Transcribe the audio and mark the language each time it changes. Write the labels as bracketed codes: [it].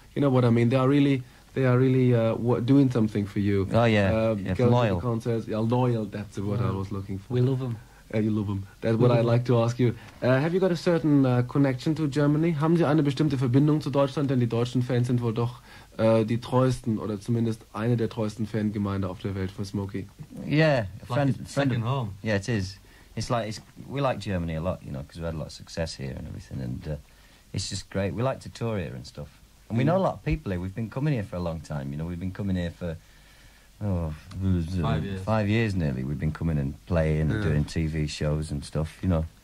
[en] You know what I mean, they are really doing something for you. Oh yeah, yeah, loyal. Concerts, yeah, loyal, that's the word I was looking for. We love them. You love them. That's what I'd like to ask you. Have you got a certain connection to Germany? [de] Haben Sie eine bestimmte Verbindung zu Deutschland? Denn die deutschen Fans sind wohl doch die treuesten oder zumindest eine der treuesten Fangemeinde auf der Welt von Smokie. [en] Yeah, friend, second home. Yeah, it is. We like Germany a lot, you know, because we had a lot of success here and everything, and it's just great. We like to tour here and stuff, and we know a lot of people here. We've been coming here for a long time. You know, we've been coming here for. Five years nearly, we've been coming and playing and doing TV shows and stuff, you know.